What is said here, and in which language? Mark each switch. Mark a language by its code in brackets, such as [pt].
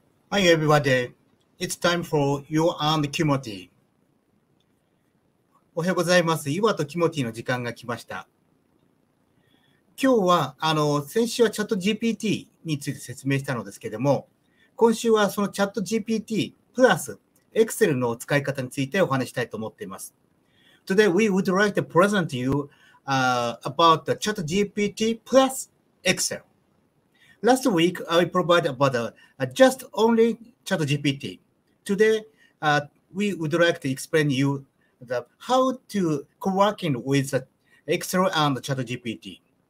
[en] Hi everybody, it's time for You and Kimoti. [ja] おはようございます。岩とキモティの時間が来ました。今日は先週はチャット GPT について説明したのですけれども、今週はそのチャット GPT プラス Excel の使い方についてお話したいと思っています。 [en] Today we would like to present you about the chat GPT plus Excel. Last week, I provided about just only ChatGPT. Today, we would like to explain you the how to co-working with Excel and ChatGPT.